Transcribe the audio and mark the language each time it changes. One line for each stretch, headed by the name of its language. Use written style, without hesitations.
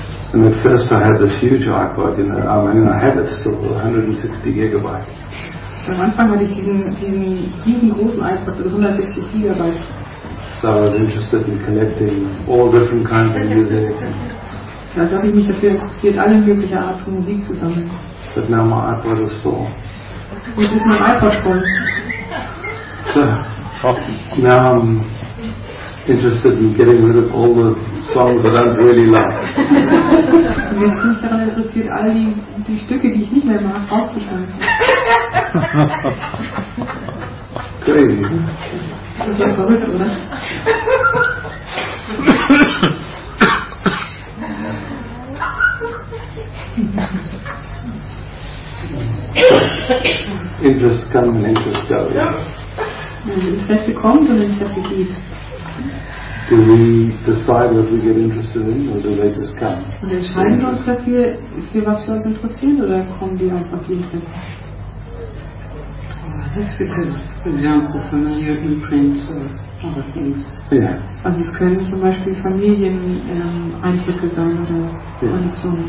English: And at first I had this huge iPod, you know, I mean, I had it still, 160 gigabytes.
German: Am Anfang hatte ich diesen riesengroßen iPod, 160 Gigabyte.
English: So I was interested in collecting all different kinds of music.
German: Also habe ich mich dafür interessiert, alle möglichen Arten von Musik zu sammeln.
English: But now my iPod is full.
German: Und ist mein iPod voll.
English: So. Now I'm interested in getting rid of all the songs that I don't really love.
German: Mir ist nicht daran interessiert, all die Stücke, die ich nicht mehr mag, rauszuschneiden.
English: Crazy.
German: Das ist ja verrückt, oder?
English: Interest come and interest go. Yeah.
German: Interesse kommt und Interesse geht.
English: Do we decide what we get interested in, or do they just come?
German: Und entscheiden wir uns dafür, für was wir uns interessieren, oder kommen die einfach die Interesse?
English: That's because, for example, familiar imprints or other things. Yeah.
German: Also es können zum Beispiel Familien-Eindrücke sein oder Konditionen.